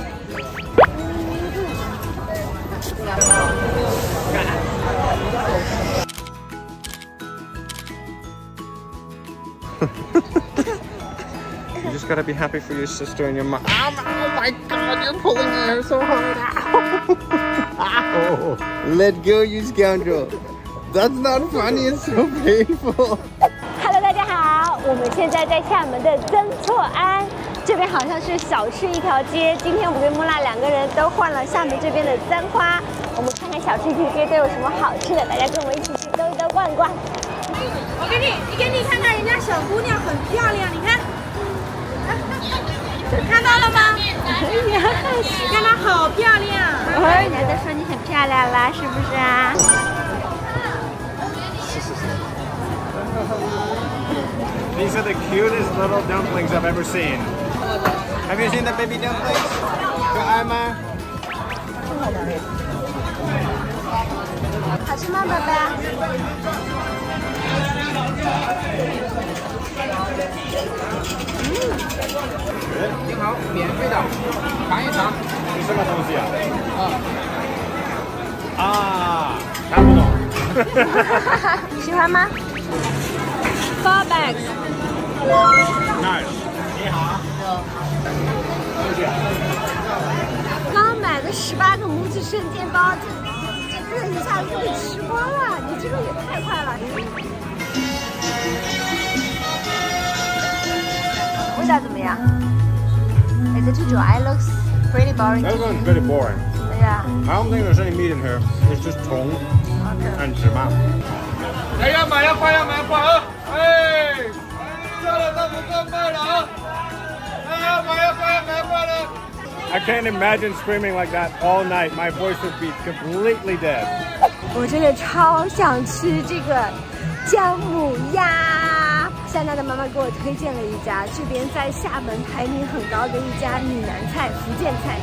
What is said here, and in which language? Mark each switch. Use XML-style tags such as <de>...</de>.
<en>You just gotta be happy for your sister and your mom. Oh my god, you're pulling the air so hard. Let go, you scoundrel. That's not funny, it's so painful. Hello,</en> <zh>大家好，我们现在在厦门的曾厝垵，这边好像是小吃一条街。今天我跟穆娜两个人都换了厦门这边的簪花，我们看看小吃一条街都有什么好吃的，大家跟我一起去兜一兜逛逛。我给你，你给你看看，人家小姑娘很漂亮，你看，看到了吗？哎呀，你看她好漂亮。奶奶都说你很漂亮了，是不是啊？</zh> <en>These are the cutest little dumplings I've ever seen. Have you seen the baby dumplings? Go, Emma. Good, Emma. Good, Emma. Good, Emma. Good, Emma. Nice.</en> <zh>你好，谢谢。刚买的18个拇指瞬间包，这一下子就吃光了。你这个也太快了，味道怎么样？</zh> <en>Is it too dry? Looks pretty boring. This one's pretty boring. Yeah. I don't think there's any meat in here. It's just</en> <zh>虫</zh> <en>and</en> <zh>芝麻。哎呀，买呀，快呀，买快啊！哎。</zh> <en>I can't imagine screaming like that all night. My voice would be completely dead.</en> <zh>我真的超想吃这个姜母鸭。夏娜的妈妈给我推荐了一家，这边在厦门排名很高的一家闽南菜、福建菜。</zh>